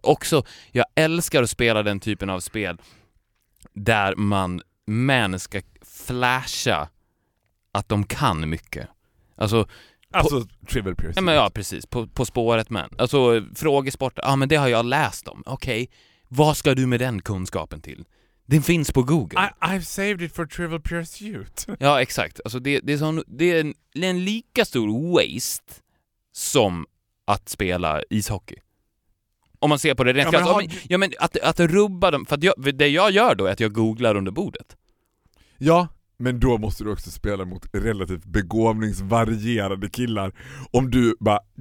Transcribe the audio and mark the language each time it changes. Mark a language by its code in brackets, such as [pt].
[sv] Också, jag älskar att spela den typen av spel där man män ska flasha att de kan mycket. Alltså Trivial Pursuit. Ja, men ja, precis. På spåret, men. Alltså, frågesport. Ja, men det har jag läst om. Okej. Okay. Vad ska du med den kunskapen till? Den finns på Google. [en] I've saved it for Trivial Pursuit. [sv] Ja, exakt. Alltså, det är en lika stor waste som att spela ishockey. Om man ser på det. Att rubba dem. För att det jag gör då är att jag googlar under bordet. Ja, men då måste du också spela mot relativt begåvningsvarierade killar. Om du bara...